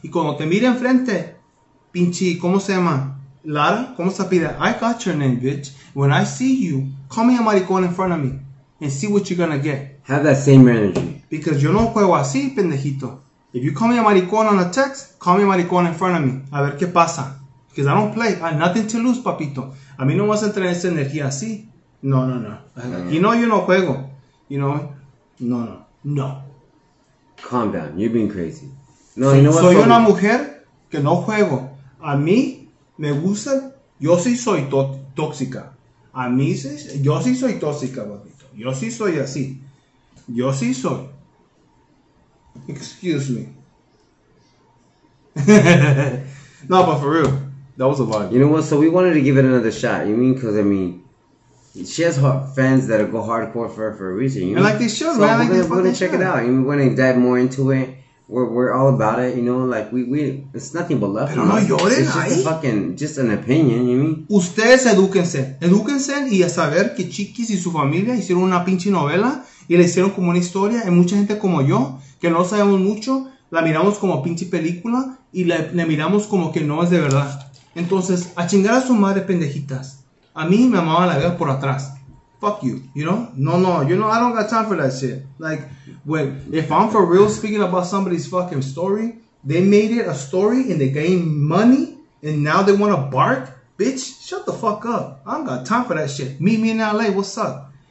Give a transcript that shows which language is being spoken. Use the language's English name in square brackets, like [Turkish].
[Spanish] Y cuando te mire enfrente, pinche, ¿cómo se llama? [English] Lara, [Spanish] ¿cómo se pide? [English] I got your name, bitch. When I see you, call me a maricón in front of me and see what you're gonna get. Have that same energy. Because [Spanish] yo no juego así, pendejito. [English] If you call me a maricón on a text, call me a maricón in front of me. [Spanish] A ver qué pasa. [English] Because I don't play. I have nothing to lose, [Spanish] papito. A mí no vas a entrar esa energía así. [English] No, no, no. You know you [Spanish] no juego. [English] You know? No, no. No. Calm down. You're being crazy. No, you know what? [Spanish] Soy una mujer que no juego. A mí me gusta. Yo sí soy tóxica. A mí sí. Yo sí soy tóxica, papito. Yo sí soy así. Yo sí soy. [English] Excuse me. No, but for real, that was a vibe. You know what? So we wanted to give it another shot. You mean? Because I mean, she has fans that go hardcore for her for a reason. You I like this show, so man. I like this. We're gonna check show. It out. We're gonna dive more into it. We're all about it. You know, like we it's nothing but love. [Spanish] Pero no lloren, [English] it's just [Spanish] ahí. [English] A fucking just an opinion. You mean? [Spanish] Ustedes eduquense y a saber que Chiquis y su familia hicieron una pinche novela y le hicieron como una historia. Y mucha gente como yo que no sabemos mucho, la miramos como pinche película y la miramos como que no es de verdad. Entonces, a chingar a su madre, pendejitas. A mí mi mamá la veo por atrás. [English] Fuck you, you know? No, you know, I don't got time for that shit. Like, well, if I'm for real speaking about somebody's fucking story, they made it a story and they gained money and now they want to bark? Bitch, shut the fuck up. I don't got time for that shit. Meet me in LA, what's up?